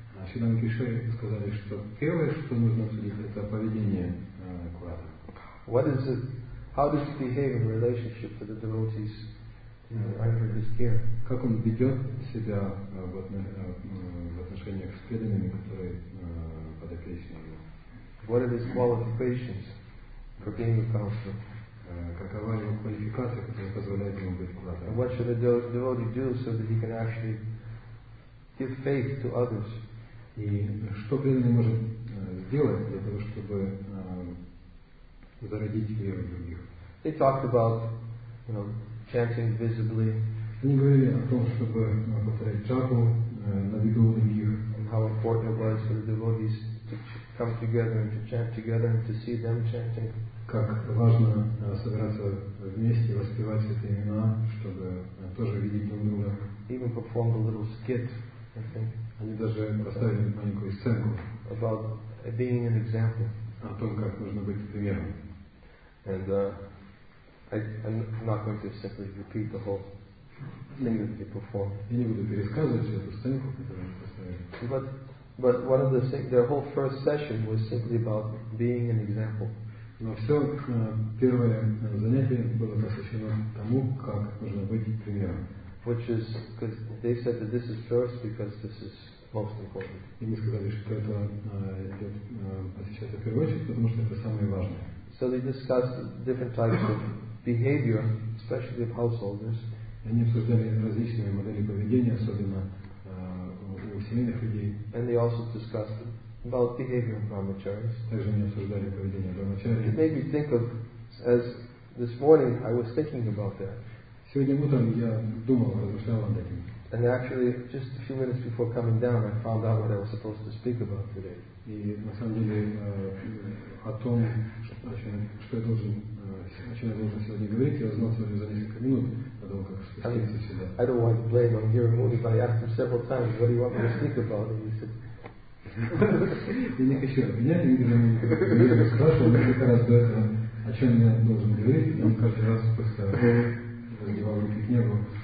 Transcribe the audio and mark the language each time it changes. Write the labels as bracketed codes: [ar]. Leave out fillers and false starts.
[ru] Шридхар Кишори сказали, что первое, что нужно обсудить, это поведение куратора. [en] What is it? How does he behave in relationship to the devotees under his care? [ru] Как он ведет себя в отношениях с преданными, которые под опекой его? [en] What are his qualifications for being a counselor? [ru] Какова его квалификация, которая позволяет ему быть куратором? [en] And what should a devotee do so that he can actually give faith to others? [ru] И что преданный может сделать для того, чтобы зародить веру в других? [en] They talked about, you know, chanting visibly. [ru] Они говорили о том, чтобы повторять джапу на виду других. [en] And how important it was for the devotees to come together and to chant together and to see them chanting. [ru] Как важно собираться вместе, воспевать эти имена, чтобы тоже видеть друг друга. [en] Even performed a little skit, I think. [ru] Они даже поставили маленькую сценку [en] about being an example. [ru] О том, как нужно быть примером. [en] And I'm not going to simply repeat the whole thing that they performed. [ru] Я не буду пересказывать всю эту сценку, которую они поставили. [en] But one of the things, their whole first session was simply about being an example. [ru] Но все первое занятие было посвящено тому, как нужно быть примером. [en] Which is because they said that this is first because this is most important. [ru] Они сказали, что это идет сейчас в первую очередь, потому что это самое важное. [en] So they discussed different types of behavior, especially of householders. [ru] Они обсуждали различные модели поведения, особенно у семейных людей. [en] And they also discussed about behavior of brahmacharis. [ru] Также они обсуждали поведение брахмачарий. [en] It made me think of, as this morning I was thinking about that. [ru] Сегодня утром я думал, размышлял над этим. [en] And actually, just a few minutes before coming down, I found out what I was supposed to speak about today. [ru] И на самом деле о том, о чем я должен сегодня говорить, я узнал сегодня за несколько минут, о том, как спуститься сюда. [en] I don't want to blame on Giramuni, but I asked him several times, what do you want me to speak about? And he said, [ru] я не хочу обвинять, я не знаю, я его спрашивал несколько раз до этого, о чем я должен говорить, он каждый раз просто раздевал руки к небу.